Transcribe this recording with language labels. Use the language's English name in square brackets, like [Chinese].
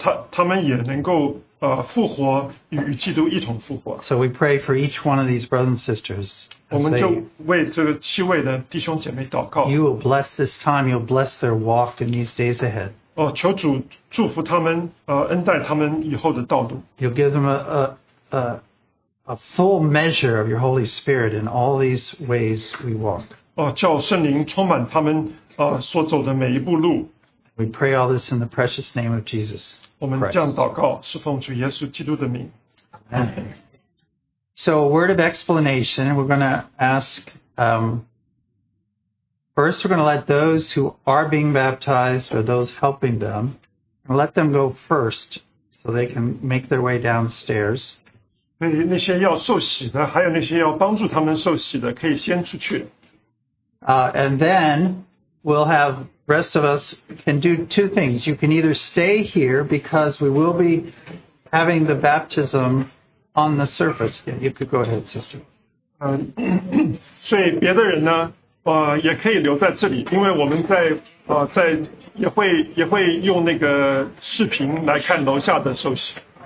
[Chinese] 他们也能够复活与基督一同复活。 [English] So we pray for each one of these brothers and sisters. [Chinese] 我们就为这个七位的弟兄姐妹祷告。 [English] You will bless this time. You'll bless their walk in these days ahead. [Chinese] 求主祝福他们，恩待他们以后的道路。 [English] You'll give them a full measure of your Holy Spirit in all these ways we walk. [Chinese] 叫圣灵充满他们所走的每一步路。 [English] We pray all this in the precious name of Jesus Christ. [Chinese] 我们这样祷告，是奉主耶稣基督的名。 [English] So a word of explanation, we're going to ask, first we're going to let those who are being baptized or those helping them, let them go first so they can make their way downstairs. [Chinese] 那些要受洗的，还有那些要帮助他们受洗的，可以先出去。 [English] And then we'll have... rest of us can do two things. You can either stay here because we will be having the baptism on the surface. Yeah, you could go ahead, sister. [Chinese] 所以别的人呢，也可以留在这里，因为我们在也会用那个视频来看楼下的受洗。